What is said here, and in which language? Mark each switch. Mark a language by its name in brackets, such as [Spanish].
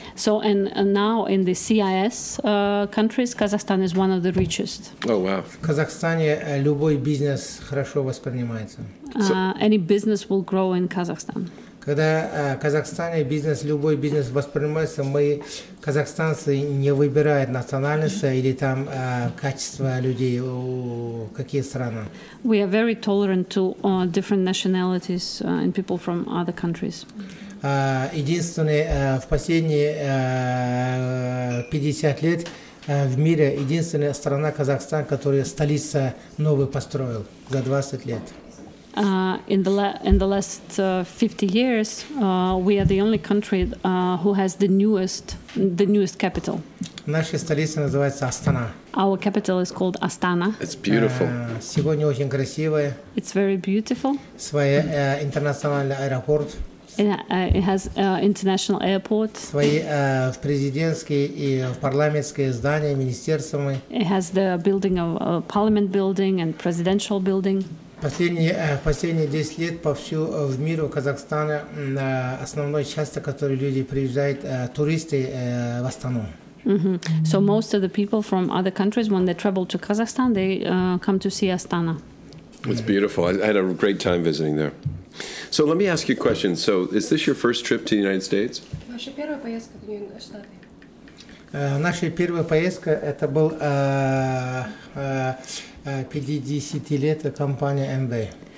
[English] So and now in the CIS countries, Kazakhstan is one of the richest. Oh wow! [Russian] В Казахстане любой бизнес хорошо воспринимается. [English] Any business will grow in Kazakhstan. [Russian] Когда Казахстане любой бизнес воспринимается, мы казахстанцы не выбирают национальность или там качество людей у какие страны. [English] We are very tolerant to different nationalities and people from other countries. [Russian] Единственное в последние 50 лет в мире единственная страна Казахстан, которая столица новую построил за 20 лет. [English] In the last 50 years, we are the only country who has the newest capital. [Russian] Наша столица называется Астана. [English] Our capital is called Astana. It's beautiful. [Russian] Сегодня очень красивая. [English] It's very beautiful. [Russian] Свой интернациональный аэропорт. [English] It has international airport. [Russian] Свои в президентские и в парламентские здания, министерства. [English] It has the building of parliament building and presidential building. [Russian] Последние 10 лет повсю в мире Казахстана основной часто, который люди приезжают туристы в Астану. [English] Mm-hmm. So most of the people from other countries, when they travel to Kazakhstan, they come to see Astana. It's beautiful. I had a great time visiting there. So let me ask you a question. So is this your first trip to the United States? [Russian] Ваша первая поездка в Штаты? Наша первая поездка это был 50-летняя компания Amway.